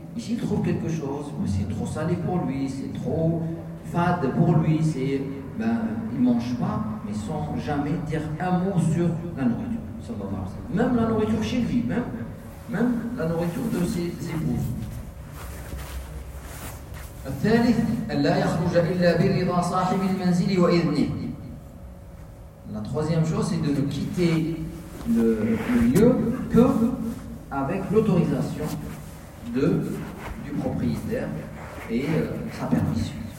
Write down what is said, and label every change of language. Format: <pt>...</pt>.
<fr>Et s'il trouve quelque chose, c'est trop salé pour lui, c'est trop fade pour lui, il ne mange pas, mais sans jamais dire un mot sur la nourriture. Même la nourriture chez lui, même la nourriture de ses épouses.</fr> <ar>الثالث, أن لا يخرج إلا برضا صاحب المنزل وإذنه.</ar> <fr>La troisième chose, c'est de ne quitter le lieu que avec l'autorisation du propriétaire et sa permission.</fr>